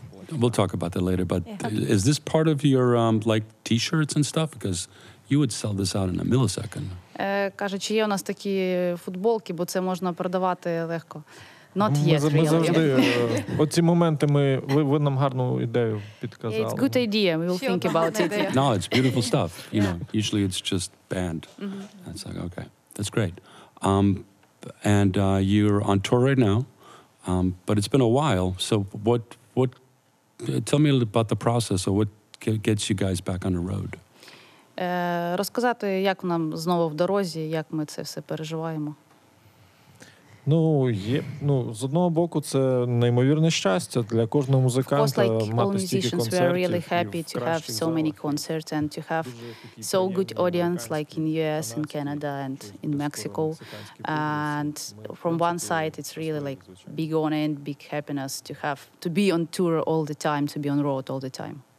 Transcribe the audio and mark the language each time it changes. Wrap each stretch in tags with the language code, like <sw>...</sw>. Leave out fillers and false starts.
<en>We'll talk about that later, but is this part of your like t-shirts and stuff? Because you would sell this out in a millisecond.</en> <uk>Каже, чи є у нас такі футболки, бо це можна продавати легко.</uk> <en>Not yet, really.</en> <uk>Ми завжди, оці моменти, ви нам гарну ідею підказали.</uk> <en>It's a good idea, we will think about it. No, it's beautiful stuff, you know, usually it's just band. Mm-hmm. It's like, okay, that's great. And you're on tour right now, but it's been a while, so what tell me about the process, or what gets you guys back on the road?</en> <uk>Розказати, як нам знову в дорозі, як ми це все переживаємо. Ну, з одного боку, це неймовірне щастя для кожного музиканта мати стільки концертів.</uk> <en>We are really happy to have so many concerts and to have so good audience like in US and Canada and in Mexico. And from one side it's really like big honor and big happiness to have to be on tour all the time, to be on road all the time.</en>